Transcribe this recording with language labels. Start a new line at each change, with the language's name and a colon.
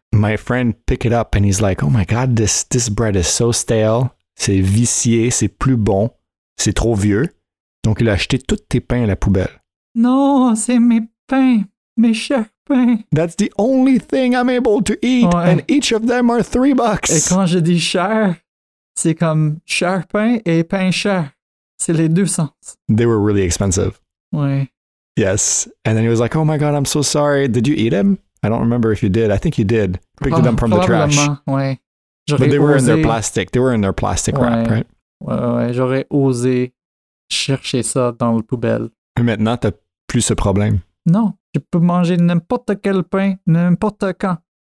English: My friend pick it up and he's like, oh my God, this bread is so stale.
French: C'est vicié, c'est plus bon, c'est trop vieux. Donc, il a acheté tous tes pains à la poubelle. Non, c'est mes pains, mes chers pains.
English: That's the only thing I'm able to eat, ouais. And each of them are $3.
French: Et quand je dis cher, c'est comme cher pain et pain cher. C'est les deux sens.
English: They were really expensive.
French: Oui.
English: Yes. And then he was like, oh my God, I'm so sorry. Did you eat them? I don't remember if you did. I think you did. Picked them from the trash.
French: Oui. J'aurais
English: But they were
French: osé...
English: in their plastic. They were in their plastic wrap,
French: ouais.
English: Right?
French: Ouais, j'aurais osé chercher ça dans la poubelle. Et maintenant, t'as plus ce problème. Non, je peux manger n'importe quel pain, n'importe quand.